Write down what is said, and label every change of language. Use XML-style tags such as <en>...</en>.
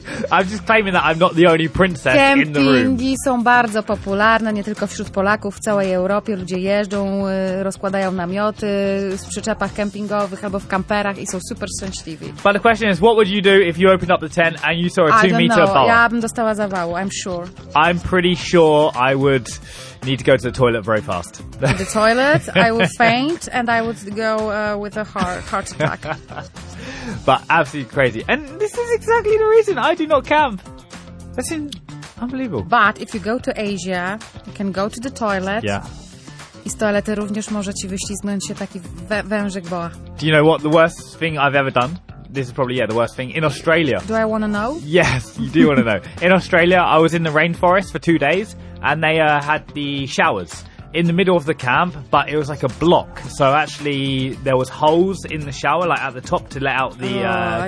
<en>I'm just claiming that I'm not the only princess</en> <pl>Campingi</pl> <en>in the room.</en> <pl>Campingi są bardzo popularne, nie tylko wśród Polaków, w całej Europie. Ludzie jeżdżą, rozkładają namioty w przyczepach kempingowych albo w kamperach i są super szczęśliwi.</pl> <en>But the question is, what would you do if you opened up the tent and you saw a 2-meter boa?</en> <pl>Ja bym dostała zawału,</pl> <en>I'm sure. I'm pretty sure I would need to go to the toilet very fast. To the toilet, I would faint and I would go with a heart attack. But absolutely crazy. And this is exactly the reason I do not camp. That's unbelievable. But if you go to Asia, you can go to the toilet. Yeah.</en> <pl>I z toalety również może ci wyślizgnąć się taki wężyk boa.</pl> <en>Do you know what the worst thing I've ever done? This is probably, yeah, the worst thing. In Australia. Do I want to know? Yes, you do want to know. In Australia, I was in the rainforest for 2 days, and they had the showers in the middle of the camp, but it was like a block. So actually, there was holes in the shower, like at the top, to let out the condensation.</en>